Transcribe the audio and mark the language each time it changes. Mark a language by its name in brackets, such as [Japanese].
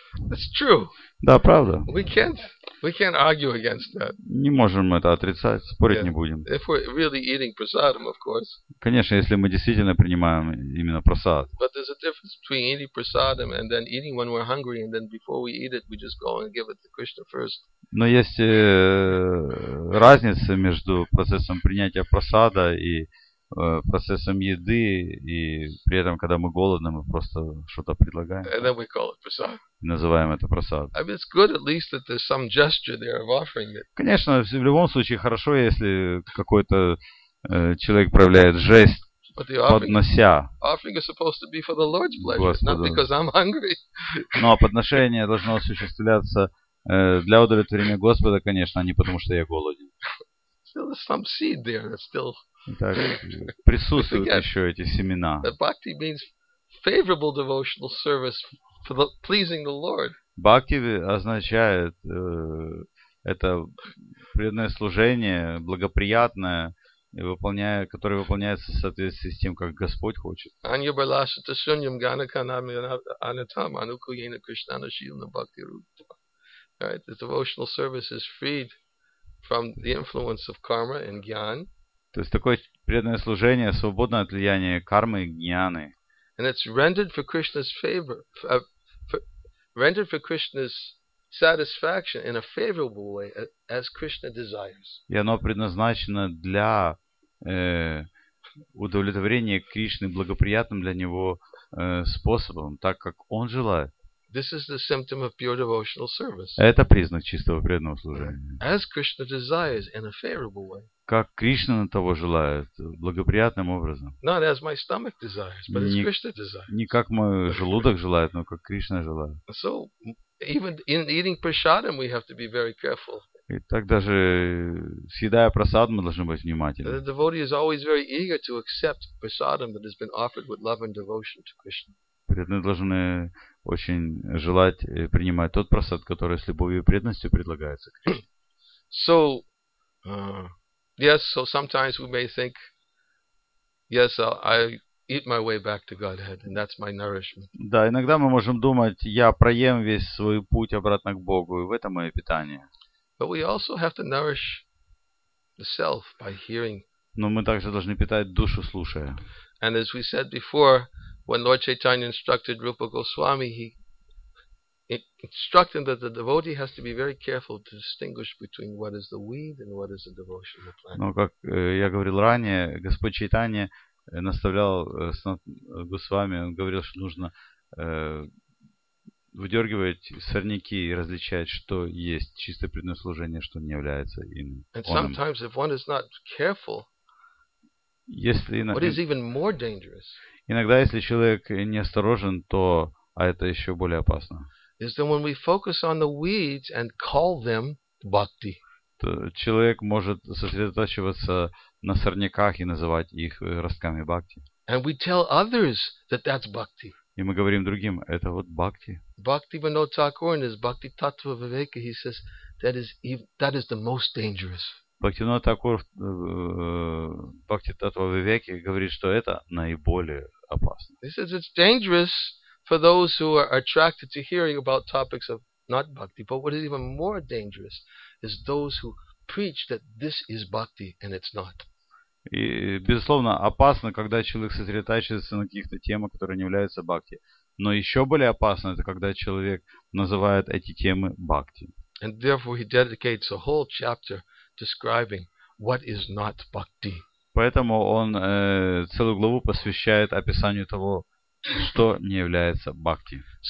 [English] That's true. [Russian] Да, правда. [English] We can't argue against that. [Russian] Не можем это отрицать, спорить не будем. [English] If we're really eating prasadam, of course. [Russian] Конечно, если мы действительно принимаем именно прасад. [English] But there's a difference between eating prasadam and then eating when we're hungry and then before we eat it, we just go and give it to Krishna first. [Russian] Но есть разница между процессом принятия прасада и процессом еды, и при этом, когда мы голодны, мы просто что-то предлагаем. [English] And then we call it prasad. [Russian] И называем это прасад. [English] I mean, it's good at least that there's some gesture there of offering it. [Russian] Конечно, в любом случае хорошо, если какой-то человек проявляет жест. [English] But the offering is supposed to be for the Lord's pleasure, [Russian] Господа. [English] Not because I'm hungry. [Russian] Но подношение должно осуществляться для удовлетворения Господа, конечно, а не потому, что я голоден. [English] Still some seed there that's still. [Russian] Итак, присутствуют еще эти семена. [English] Bhakti means favorable devotional service for the pleasing the Lord. [Russian] Бхакти означает это преданное служение, благоприятное, которое выполняется в соответствии с тем, как Господь хочет. [Sanskrit] Anyabhilashita shunyam ganakanam anatam anukuyena krishnana shilna bhakti rupa. [English] Right, the devotional service is freed from the influence of karma and jnana. [Russian] То есть такое преданное служение свободно от влияния кармы и гьяны. [English] And it's rendered for Krishna's favor, rendered for Krishna's satisfaction in a favorable way, as Krishna desires. [Russian] И оно предназначено для удовлетворения Кришны благоприятным для него способом, так как он желает. [English] This is the symptom of pure devotional service. [Russian] Это признак чистого преданного служения. [English] As Krishna desires in a favorable way. [Russian] Как Кришна того желает, благоприятным образом. [English] Not as my stomach desires, but as Krishna desires. [Russian] Не как мой желудок желает, но как Кришна желает. [English] So, even in eating prasadam, we have to be very careful. [Russian] И так даже съедая прасад, мы должны быть внимательны. [English] The devotee is always very eager to accept prasadam that has been offered with love and devotion to Krishna. [Russian] Преданные должны очень желать принимать тот прасад, который с любовью и преданностью предлагается Кришне. [English] So, yes, so sometimes we may think, yes, I eat my way back to Godhead, and that's my nourishment. [Russian] Да, иногда мы можем думать, я проем весь свой путь обратно к Богу, и в этом мое питание. [English] But we also have to nourish the self by hearing. [Russian] Но мы также должны питать душу, слушая. [English] And as we said before, when Lord Chaitanya instructed Rupa Goswami, he instructed that the devotee has to be very careful to distinguish between what is the weed and what is the devotional plant. [Russian] Но как я говорил ранее, Господь Чайтанья наставлял Госвами, он говорил, что нужно выдергивать сорняки и различать, что есть чистое преданное служение, что не является им. [English] And sometimes, if one is not careful, what is even more dangerous? [Russian] Иногда, если человек неосторожен, то это еще более опасно. [English] Is that when we focus on the weeds and call them bhakti? [Russian] Человек может сосредотачиваться на сорняках и называть их ростками бхакти. [English] And we tell others that that's bhakti. [Russian] И мы говорим другим, это вот бхакти. [English] Bhakti Vinod Thakur in his Bhakti Tattva Viveka, he says that is the most dangerous. [Russian] Бхактивинода Такур в Бхакти Таттва Вивеке говорит, что это наиболее опасно. [English] This is it's dangerous for those who are attracted to hearing about topics of not bhakti, but what is even more dangerous is those who preach that this is bhakti and it's not. [Russian] И, безусловно, опасно, когда человек сосредотачивается на каких-то темах, которые не являются бхакти. Но еще более опасно, это когда человек называет эти темы бхакти. [English] And therefore he dedicates a whole chapter describing what is not bhakti. [Russian] Поэтому он целую главу посвящает описанию того, что не является бхакти.